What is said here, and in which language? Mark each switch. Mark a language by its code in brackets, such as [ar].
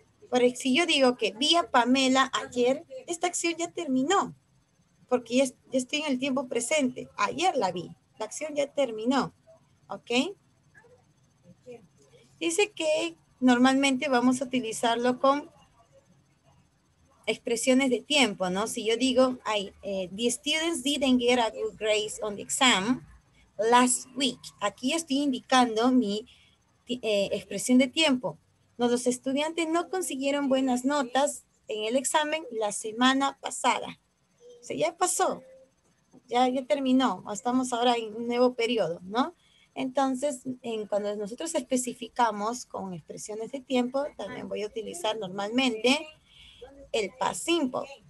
[es] Por si yo digo que vi a Pamela ayer, esta acción ya terminó. Porque ya estoy en el tiempo presente. Ayer la vi. La acción ya terminó. ¿Ok? Dice que normalmente vamos a utilizarlo con expresiones de tiempo, ¿no? [en] Si yo digo, the students didn't get a good grade on the exam last week. [es] Aquí estoy indicando mi expresión de tiempo. No, los estudiantes no consiguieron buenas notas en el examen la semana pasada. O sea, ya pasó, ya terminó, estamos ahora en un nuevo periodo, ¿no? Entonces, cuando nosotros especificamos con expresiones de tiempo, también voy a utilizar normalmente el past simple.